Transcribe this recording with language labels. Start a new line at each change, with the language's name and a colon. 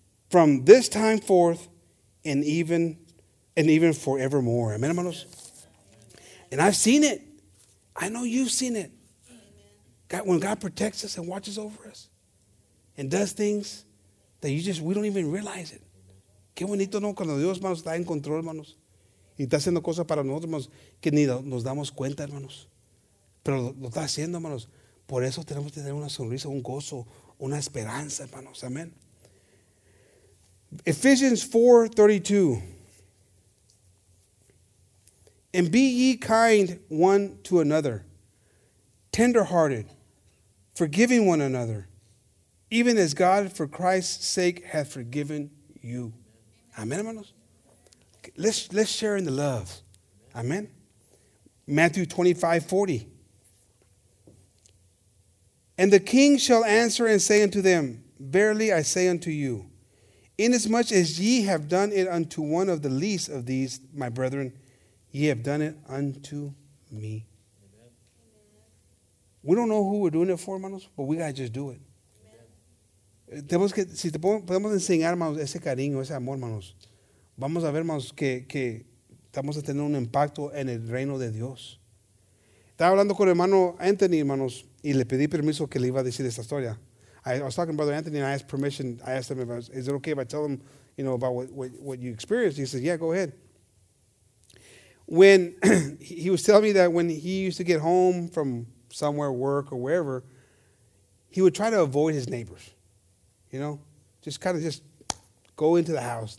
English: From this time forth and even forevermore. Amen, hermanos? And I've seen it. I know you've seen it. God, when God protects us and watches over us and does things that we don't even realize it.
Spanish: Qué bonito, ¿no? Cuando Dios, hermanos, está en control, hermanos. Y está haciendo cosas para nosotros, hermanos, que ni nos damos cuenta, hermanos. Pero lo está haciendo, hermanos. Por eso tenemos que tener una sonrisa, un gozo, una esperanza, hermanos.
English: Amén. Ephesians 4:32. And be ye kind one to another, tenderhearted, forgiving one another, even as God for Christ's sake hath forgiven you. Amen, hermanos. Let's share in the love. Amen. Matthew 25:40. And the king shall answer and say unto them, verily I say unto you, inasmuch as ye have done it unto one of the least of these, my brethren, ye have done it unto me. Amen. We don't know who we're doing it for, hermanos, but we got to just do it.
Spanish: Tenemos que, si te podemos enseñar, hermanos, ese cariño, ese amor, hermanos, vamos a ver, hermanos, que estamos a tener un impacto en el reino de Dios. Estaba hablando con el hermano Anthony, hermanos, y le pedí permiso que le iba a decir esta historia.
English: I was talking to Brother Anthony, and I asked permission. I asked him, is it okay if I tell him, you know, about what you experienced? He said, yeah, go ahead. When he was telling me that when he used to get home from somewhere, work or wherever, he would try to avoid his neighbors, you know, just kind of just go into the house.